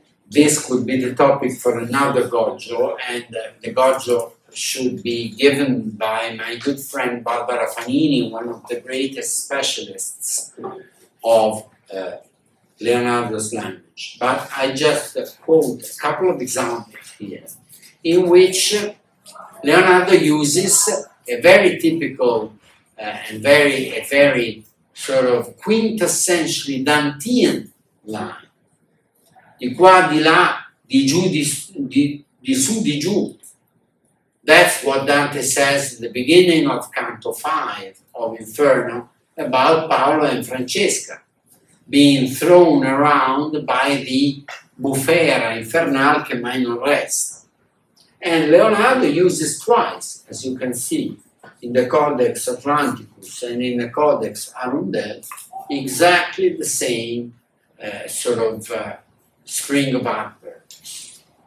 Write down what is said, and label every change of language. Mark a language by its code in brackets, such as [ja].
[en] this could be the topic for another Goggio, and the Goggio should be given by my good friend Barbara Fanini, one of the greatest specialists of Leonardo's language. But I just quote a couple of examples here, in which Leonardo uses a very typical and a very sort of quintessentially Dantean line. [it] Di qua, di là, di giù, di su, di giù. [en] That's what Dante says at the beginning of Canto 5 of Inferno about Paolo and Francesca being thrown around by the [it] bufera infernal che mai non resta. [en] And Leonardo uses twice, as you can see, in the Codex Atlanticus and in the Codex Arundel, exactly the same sort of string of adverbs.